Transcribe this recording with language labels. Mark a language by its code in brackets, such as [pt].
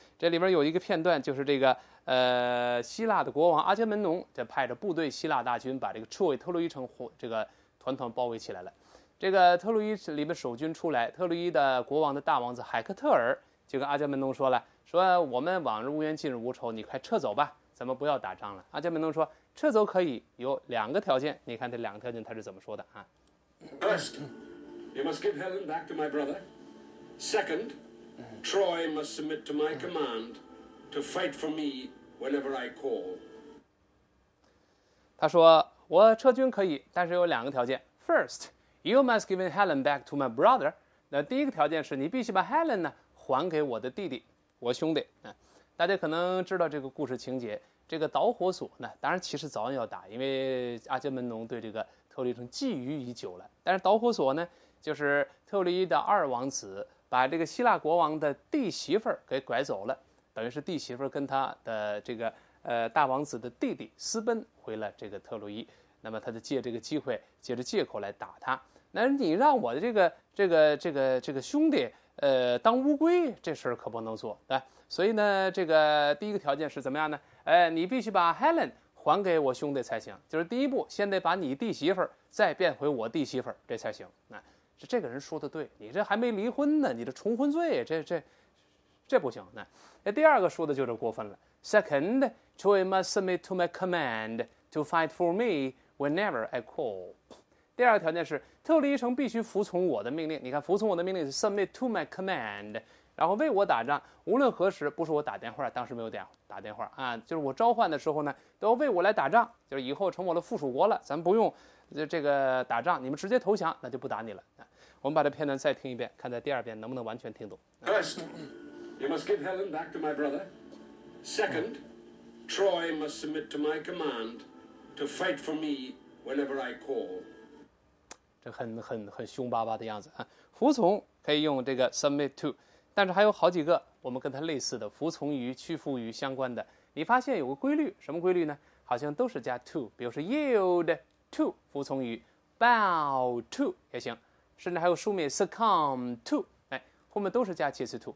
[zh] 这里边有一个片段，就是这个希腊的国王阿伽门农在派着部队希腊大军把这个 Troy 特洛伊城这个团团包围起来了。这个特洛伊里面守军出来，特洛伊的国王的大王子海克特尔就跟阿伽门农说了，说我们往日无冤，近日无仇，你快撤走吧，咱们不要打仗了。阿伽门农说撤走可以，有两个条件。你看这两个条件他是怎么说的啊 [en] ？First, you must give Helen back to my brother. Second, Troy must submit to my command to fight for me whenever I call. [zh] 他说我撤军可以，但是有两个条件。 [en] First, you must give Helen back to my brother. [zh] 那第一个条件是你必须把 Helen 呢还给我的弟弟。我兄弟，大家可能知道这个故事情节，这个导火索呢，当然其实早晚要打，因为阿伽门农对这个特洛伊城觊觎已久了。但是导火索呢，就是特洛伊的二王子把这个希腊国王的弟媳妇给拐走了，等于是弟媳妇跟他的这个大王子的弟弟私奔回了这个特洛伊，那么他就借这个机会，借着借口来打他。那你让我的这个兄弟当乌龟，这事儿可不能做，对。所以呢，这个第一个条件是怎么样呢？你必须把 Helen 还给我兄弟才行，就是第一步，先得把你弟媳妇儿再变回我弟媳妇儿，这才行。那、是这个人说的对，你这还没离婚呢，你这重婚罪，这不行。那、第二个说的就是过分了。 [en] Second, Troy must submit to my command to fight for me whenever I call. [zh] 第二个条件是特洛伊城必须服从我的命令，你看服从我的命令是 [en] submit to my command， [zh] 然后为我打仗，无论何时，不是我打电话，当时没有打电话啊，就是我召唤的时候呢，都要为我来打仗，就是以后成我的附属国了，咱不用这个打仗，你们直接投降，那就不打你了。我们把这片段再听一遍，看在第二遍能不能完全听懂。 [en] First, you must give Helen back to my brother. Second, Troy must submit to my command to fight for me whenever I call. [zh] 这很凶巴巴的样子啊！服从可以用这个 submit to， 但是还有好几个我们跟它类似的服从于、屈服于相关的。你发现有个规律，什么规律呢？好像都是加 to， 比如说 yield to 服从于 ，bow to 也行，甚至还有书面 succumb to， 哎，后面都是加介词 to。